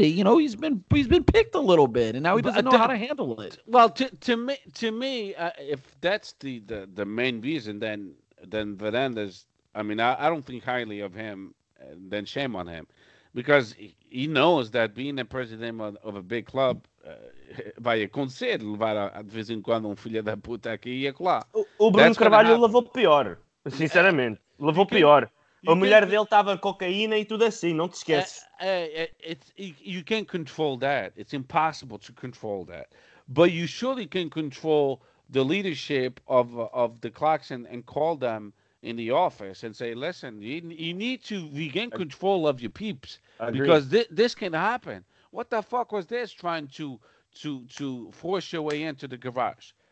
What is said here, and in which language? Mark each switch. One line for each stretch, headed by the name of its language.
English: You know, he's been picked a little bit, and now he doesn't know how to handle it. Well, to me, if that's the main reason, then Varandas, I mean, I don't think highly of him. Then shame on him, because he knows that being a president of a big club.
Portuguese: Vai acontecer levar de vez em quando um filho da puta aqui e acolá. O Bruno Carvalho levou pior, sinceramente. Levou pior. A mulher dele estava cocaína e tudo assim, não te esqueces.
English: You can't control that. It's impossible to control that. But you surely can control the leadership of the Claques and call them in the office and say, listen, you need to regain control of your peeps. Because this can happen. What the fuck was this trying to force your way into the garage?